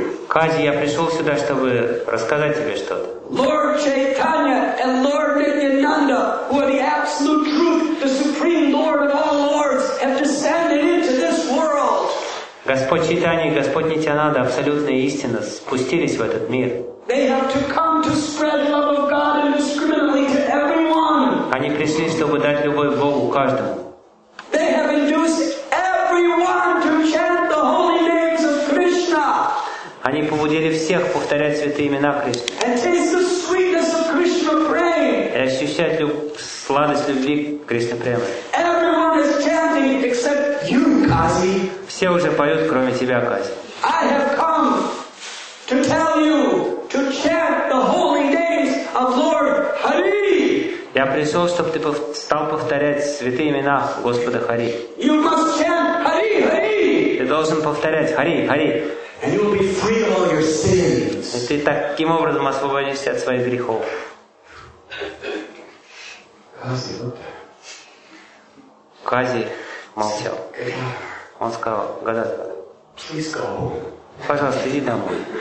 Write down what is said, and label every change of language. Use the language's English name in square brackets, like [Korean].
[Russian] Кази, я пришел сюда, чтобы рассказать тебе что-то. [English] Lord Chaitanya and Lord Nityananda, who are the absolute truth, the supreme Lord of all lords, have descended into this world. [Russian] Господь Чайтанья и Господь Нитянанда, абсолютная истина, спустились в этот мир. [English] They have to come to spread love of God indiscriminately to everyone. [Russian] Они пришли, чтобы дать любовь Богу каждому. [English] They have induced everyone to chant the holy names of Krishna. [Russian] Они побудили всех повторять святые имена Кришны. И ощущать сладость любви Кришны Према. [English] Everyone is chanting except you, Kazi. [Russian] Все уже поют, кроме тебя, Кази. [English] I have come to tell you to chant the holy names of Lord Hari. [Russian] Я пришел, чтобы ты стал повторять святые имена Господа Хари. [English] You must chant Hari, Hari. [Russian] Ты должен повторять Хари, Хари. [English] And you will be free of all your sins. [Russian] И ты таким образом освободишься от своих грехов. Кази молчал. Он сказал, Гададхар, пожалуйста, иди домой.